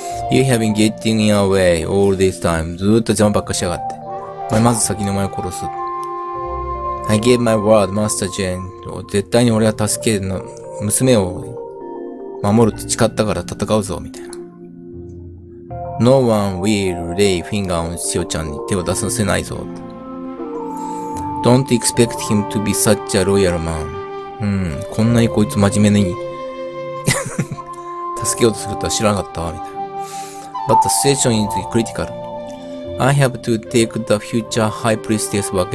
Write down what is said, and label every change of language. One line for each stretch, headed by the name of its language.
English: You have been getting in our way all this time.
Japanese: ずーっと邪魔ばっかしやがって。お前まず先にお前を殺す。
English: I gave my word, Master Jane.
Japanese: 絶対に俺は助けるの、娘を守るって誓ったから戦うぞ、みたいな。
English: No one will lay finger on
Japanese: しおちゃんに手を出させないぞ。
English: Don't expect him to be such a loyal man.
Japanese: うん、こんなにこいつ真面目に助けようとするとは知らなかったわ、みたいな。
English: But the situation is critical. I have to take the future high priestess back.